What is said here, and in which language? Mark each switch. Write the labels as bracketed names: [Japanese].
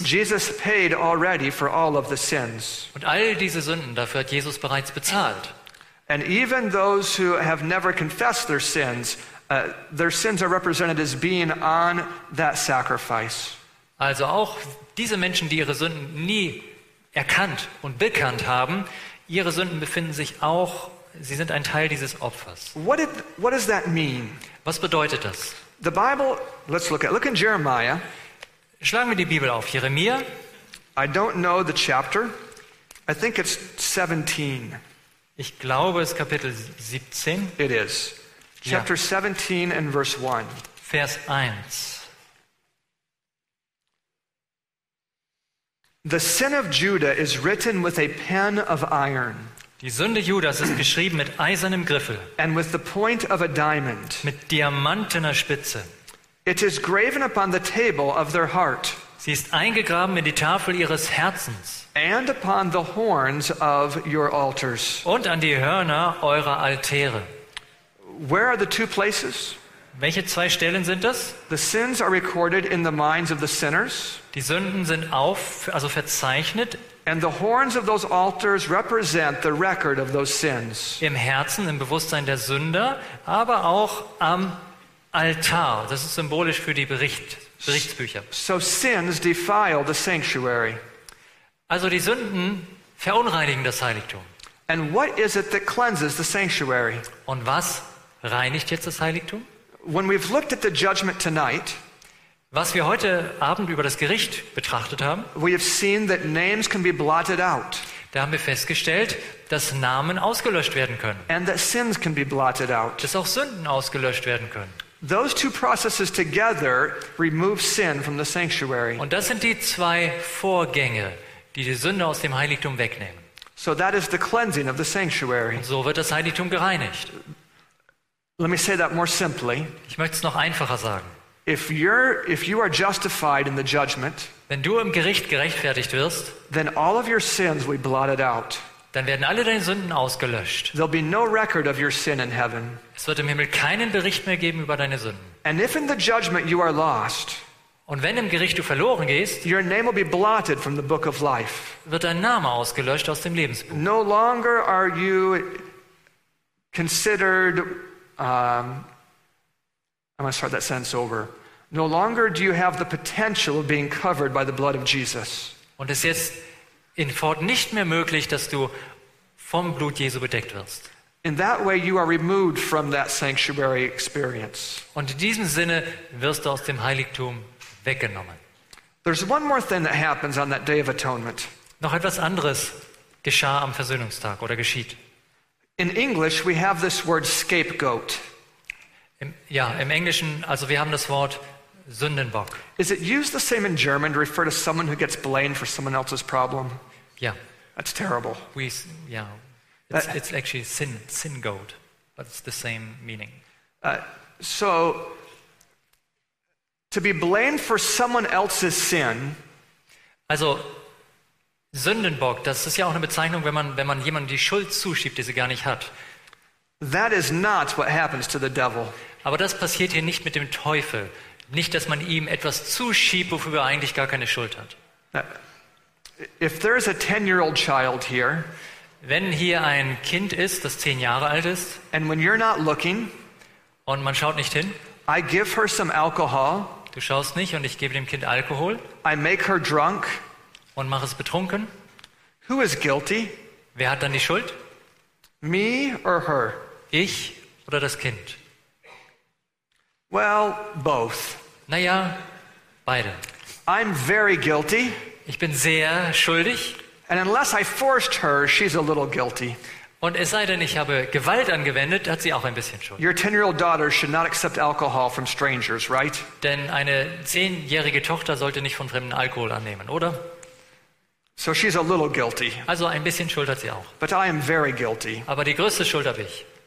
[English] Jesus paid already for all of the sins. [German] Und all diese Sünden, dafür hat Jesus bereits bezahlt. [English] And even those who have never confessed their sins are represented as being on that sacrifice. [German] Also auch diese Menschen, die ihre Sünden nie erkannt und bekannt haben, ihre Sünden befinden sich auch, sie sind ein Teil dieses Opfers. [English] What does that mean? [German] Was bedeutet das? [English] The Bible, let's look in Jeremiah. [German] Schlagen wir die Bibel auf, Jeremia. [English] I don't know the chapter. I think it's 17. [German] Ich glaube, es ist Kapitel 17. [English] It is. Chapter ja. 17 and verse 1. [German] Vers 1. [English] The sin of Judah is written with a pen of iron. [German] Die Sünde Judas ist geschrieben mit eisernem Griffel. [English] And with the point of a diamond. [German] Mit diamantener Spitze. [English] It is graven upon the table of their heart. [German] Sie ist eingegraben in die Tafel ihres Herzens. [English] And upon the horns of your altars. [German] Und an die Hörner eurer Altäre. [English] Where are the two places? [German] Welche zwei Stellen sind das? [English] The sins are recorded in the minds of the sinners. [German] Die Sünden sind auf, also verzeichnet. [English] And the horns of those altars represent the record of those sins. [German] Im Herzen, im Bewusstsein der Sünder, aber auch am Altar. Das ist symbolisch für die Berichtsbücher. [English] So sins defile the sanctuary. [German] Also die Sünden verunreinigen das Heiligtum. [English] And what is it that cleanses the sanctuary? [German] Und was reinigt jetzt das Heiligtum? [English] When we've looked at the judgment tonight, [German] was wir heute Abend über das Gericht betrachtet haben, [English] we have seen that names can be blotted out. [German] Da haben wir festgestellt, dass Namen ausgelöscht werden können. [English] And that sins can be blotted out. [German] Dass auch Sünden ausgelöscht werden können. [English] Those two processes together remove sin from the sanctuary. [German] Und das sind die zwei Vorgänge, die die Sünde aus dem Heiligtum wegnehmen. [English] So that is the cleansing of the sanctuary. [German] Und so wird das Heiligtum gereinigt. [English] Let me say that more simply. [German] Ich möchte es noch einfacher sagen. [English] If you are justified in the judgment, [German] wenn du im Gericht gerechtfertigt wirst, [English] then all of your sins will be blotted out. [German] Dann werden alle deine Sünden ausgelöscht. [English] There'll be no record of your sin in heaven. [German] Es wird im Himmel keinen Bericht mehr geben über deine Sünden. [English] And if in the judgment you are lost, [German] und wenn im Gericht du verloren gehst, [English] your name will be blotted from the book of life. [German] Wird dein Name ausgelöscht aus dem Lebensbuch. [English] No longer are you considered I'm going to start that sentence over. No longer do you have the potential of being covered by the blood of Jesus. [German] Und es ist jetzt in fort nicht mehr möglich, dass du vom Blut Jesu bedeckt wirst. [English] In that way you are removed from that sanctuary experience. [German] Und in diesem Sinne wirst du aus dem Heiligtum weggenommen. [English] There's one more thing that happens on that day of atonement. [German] Noch etwas anderes geschah am Versöhnungstag oder geschieht. [English] In English we have this word scapegoat. [German] Im Englischen, also wir haben das Wort Sündenbock. [English] Is it used the same in German to refer to someone who gets blamed for someone else's problem? Yeah. That's terrible. It's actually sin goat, but it's the same meaning. So to be blamed for someone else's sin, [German] also Sündenbock, das ist ja auch eine Bezeichnung, wenn man jemandem die Schuld zuschiebt, die sie gar nicht hat. [English] That is not what happens to the devil. [German] Aber das passiert hier nicht mit dem Teufel. Nicht, dass man ihm etwas zuschiebt, wofür er eigentlich gar keine Schuld hat. [English] If there is a 10-year-old child here, [German] wenn hier ein Kind ist, das 10 Jahre alt ist, [English] and when you're not looking, [German] und man schaut nicht hin, [English] I give her some alcohol, [German] du schaust nicht und ich gebe dem Kind Alkohol, [English] I make her drunk, [German] und mach es betrunken. [English] Who is guilty? [German] Wer hat dann die Schuld? [English] Me or her? [German] Ich oder das Kind? [English] Well, both. [German] Naja, beide. [English] I'm very guilty. [German] Ich bin sehr schuldig. [English] And unless I forced her, she's a little guilty. [German] Und es sei denn, ich habe Gewalt angewendet, hat sie auch ein bisschen Schuld. [English] Your 10-year-old daughter should not accept alcohol from strangers, right? [German] Denn eine 10-jährige Tochter sollte nicht von Fremden Alkohol annehmen, oder? [English] So she's a little guilty. [German] Also ein bisschen Schuld hat sie auch. [English] But I am very guilty. [German] Aber die größte Schuld habe ich.